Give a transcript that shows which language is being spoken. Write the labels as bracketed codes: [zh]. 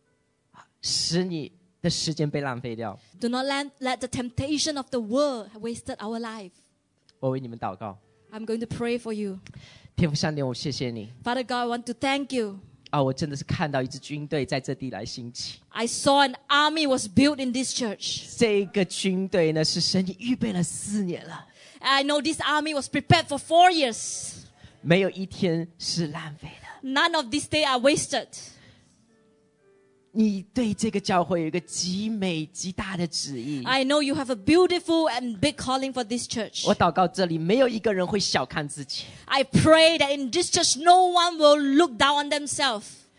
[zh] 不要让那些最终之乐去使你 的时间被浪费掉。 [en] Do not let the temptation of the world have wasted our life. [zh] 我为你们祷告。 [en] I'm going to pray for you. [zh] 天父上帝, 我谢谢你。 [en] Father God, I want to thank you. [zh] 啊, 我真的是看到一支军队在这地来兴起。 [en] I saw an army was built in this church. [zh] 这个军队呢, 是神你预备了四年了。 [en] I know this army was prepared for 4 years. [zh] 没有一天是浪费的。 [en] None of these days are wasted. [zh] 你对这个教会有一个极美极大的旨意。 [en] I know you have a beautiful and big calling for this church. [zh] 我祷告这里没有一个人会小看自己。 [en] I pray that in this church no one will look down on themselves.